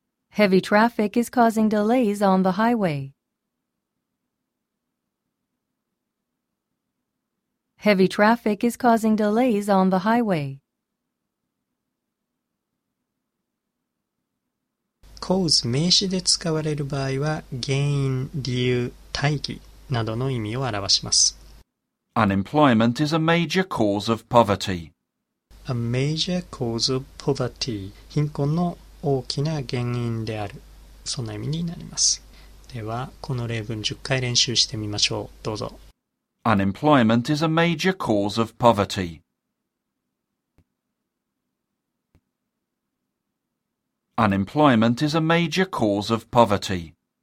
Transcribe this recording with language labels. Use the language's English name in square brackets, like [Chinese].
[English] Heavy traffic is causing delays on the highway. Heavy traffic is causing delays on the highway. [Japanese] Cause 名詞で使われる場合は原因、理由、大義などの意味を表します。 [English] Unemployment is a major cause of poverty. A major cause of poverty. [Japanese] 貧困の大きな原因である、そんな意味になります。ではこの例文10回練習してみましょう。どうぞ。 [English] Unemployment is a major cause of poverty. Unemployment is a major cause of poverty.